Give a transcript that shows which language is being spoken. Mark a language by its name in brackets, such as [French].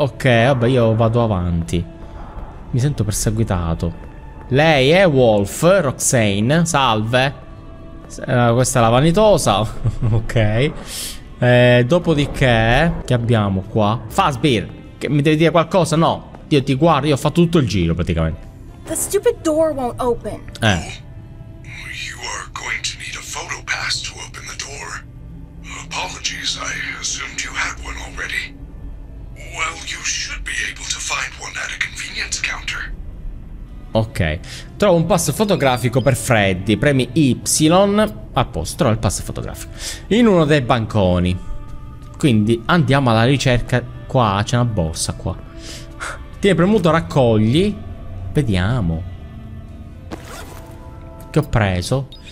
[Italian] Ok, vabbè, io vado avanti. Mi sento perseguitato. Lei è Wolf, Roxane. Salve. Questa è la vanitosa. Ok. Dopodiché, che abbiamo qua? Fazbear, che mi devi dire qualcosa? No. Io ti guardo, io ho fatto tutto il giro praticamente. [English] The stupid door won't open. You are going to need a photo pass to open the door. Apologies, I assumed you had one already. Well, you should be able to find one at a convenience counter. Ok. [Italian] Trovo un pass fotografico per Freddy. Premi Y. A posto, trovo il pass fotografico. In uno dei banconi. Quindi andiamo alla ricerca. Qua c'è una borsa qua. Tieni premuto raccogli. Vediamo. Che ho preso?